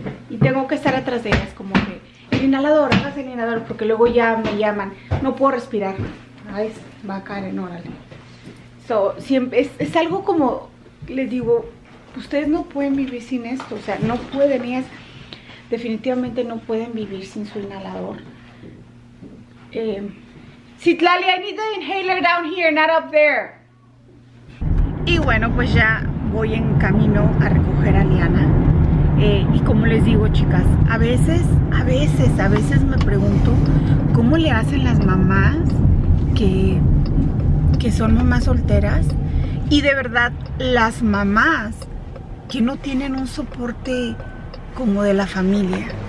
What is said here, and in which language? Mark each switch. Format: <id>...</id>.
<es>Y tengo que estar atrás de ellas, como que el inhalador, hagas el inhalador, porque luego ya me llaman. No puedo respirar. Ay, va a caer en órale. So, siempre, es algo como, les digo, ustedes no pueden vivir sin esto. O sea, no pueden, ellas definitivamente no pueden vivir sin su inhalador.</es> <en>Citlali, I need the inhaler down here, not up there.</en> <es>Y bueno, pues ya voy en camino a recoger a Liana. Y como les digo, chicas, a veces me pregunto cómo le hacen las mamás que son mamás solteras, y de verdad las mamás que no tienen un soporte como de la familia.</es>